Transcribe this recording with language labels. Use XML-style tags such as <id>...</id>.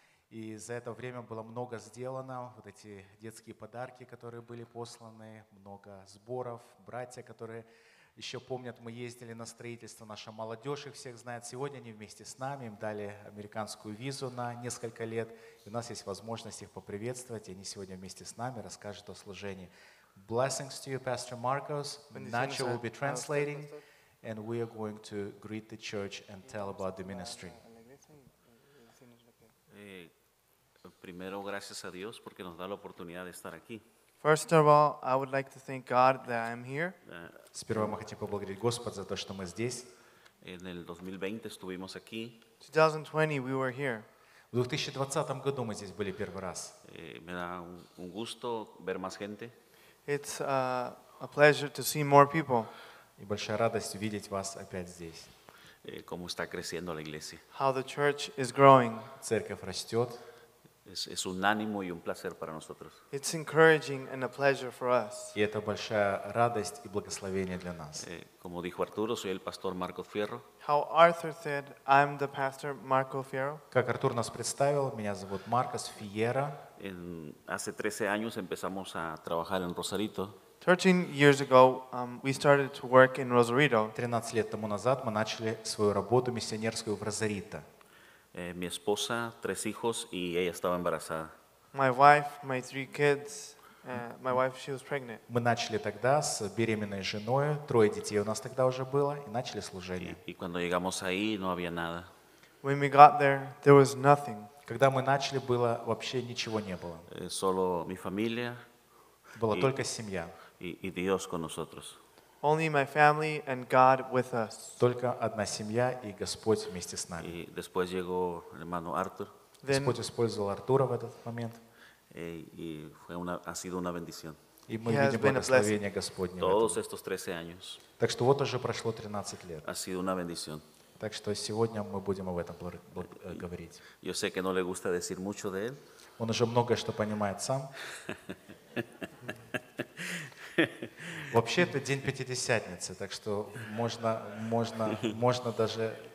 <ru>И за это время было много сделано, вот эти детские подарки, которые были посланы, много сборов, братья, которые... Еще помнят, мы ездили на строительство, наша молодежь их всех знает. Сегодня они вместе с нами, им дали американскую визу на несколько лет. И у нас есть возможность их поприветствовать, и они сегодня вместе с нами расскажут о служении.</ru> <en>Blessings to you, Pastor Marcos. Nacho will be translating, and we are going to greet the church and tell about the ministry.</en> <es>Primero, gracias a Dios, porque nos da la oportunidad de estar aquí.</es> <en>First of all, I would like to thank God that I am here.</en> <ru>Сперва мы хотим поблагодарить Господа за то, что мы здесь.</ru> <es>En el 2020 estuvimos aquí.</es> <en>2020 we were here.</en> <ru>В 2020 году мы здесь были первый раз.</ru> <es>Me da un gusto ver más gente.</es> <en>It's a pleasure to see more people.</en> <ru>И большая радость видеть вас опять здесь.</ru> <es>Cómo está creciendo la iglesia.</es> <en>How the church is growing.</en> <ru>Церковь растет.</ru> <es>Es un ánimo y un placer para nosotros.</es> <en>It's encouraging and a pleasure for us.</en> <ru>Y это большая радость и благословение для нас.</ru> <es>Como dijo Arturo, soy el pastor Marco Fierro.</es> <en>How Arthur said, I'm the pastor Marco Fierro.</en> <ru>Как Артур нас представил, меня зовут Маркос Фиера.</ru> <es>Hace 13 años empezamos a trabajar en Rosarito.</es> <en>13 years ago, we started to work in Rosarito.</en> <ru>13 лет тому назад мы начали свою работу миссионерскую в Розарито.</ru> <es>Mi esposa, tres hijos, y ella estaba embarazada.</es> <en>My wife, my three kids, my wife, she was pregnant.</en> <ru>Мы начали тогда с беременной женой, трое детей у нас тогда уже было, и начали служение.</ru> <es>Y cuando llegamos ahí, no había nada.</es> <en>When we got there, there was nothing.</en> <ru>Когда мы начали, было вообще ничего не было.</ru> <es>Solo mi familia.</es> <ru>Была только семья.</ru> <es>Y Dios con nosotros.</es> <en>Only my family and God with us.</en> <ru>Только одна семья и Господь вместе с нами.</ru> <es>И después llegó el hermano Arthur.</es> <ru>Then, Господь использовал Артура в этот момент.</ru> <es>Y fue una, ha sido una bendición.</es> <ru>И мы видим благословение Господне.</ru> <es>Todos estos 13 años.</es> <ru>Так что вот уже прошло 13 лет.</ru> <es>Ha sido una bendición.</es> <ru>Так что сегодня мы будем об этом говорить.</ru> <es>Yo sé que no le gusta decir mucho de él.</es> <ru>Он уже многое что понимает сам. Вообще это день пятидесятницы, так что можно даже.</ru>